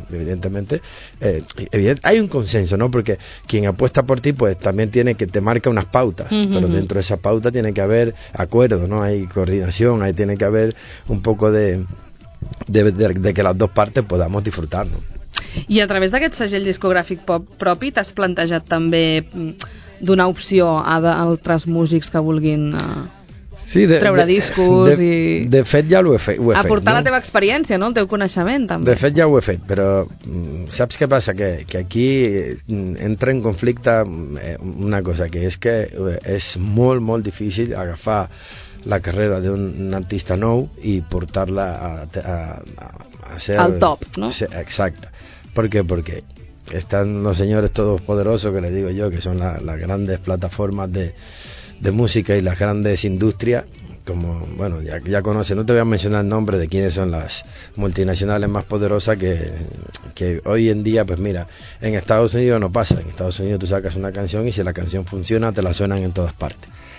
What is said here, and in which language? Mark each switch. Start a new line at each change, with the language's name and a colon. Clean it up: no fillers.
Spanish: Evidentemente, hay un consenso, ¿no? Porque quien apuesta por ti, pues también tiene que te marca unas pautas, pero dentro de esa pauta tiene que haber acuerdo, ¿no? Hay coordinación, ahí tiene que haber un poco de que las dos partes podamos disfrutar, ¿no?
Catalan: I a través d'aquest segell discogràfic propi t'has plantejat també donar opció a d'altres músics que vulguin... treure discos De fet ja ho he fet. Aportar, no? La teva experiència, no? El teu coneixement també. De fet ja ho he fet, però saps què passa? Que aquí entra en conflicte una cosa, que és que és molt, molt difícil agafar la carrera d'un artista nou i portar-la a ser... al top, no? Exacte.
Spanish: ¿Por qué? Porque están los señores todopoderosos, que les digo yo, que son las grandes plataformas de música y las grandes industrias, como, bueno, ya conocen, no te voy a mencionar el nombre de quiénes son las multinacionales más poderosas que hoy en día, pues mira, en Estados Unidos no pasa, en Estados Unidos tú sacas una canción y si la canción funciona te la suenan en todas partes.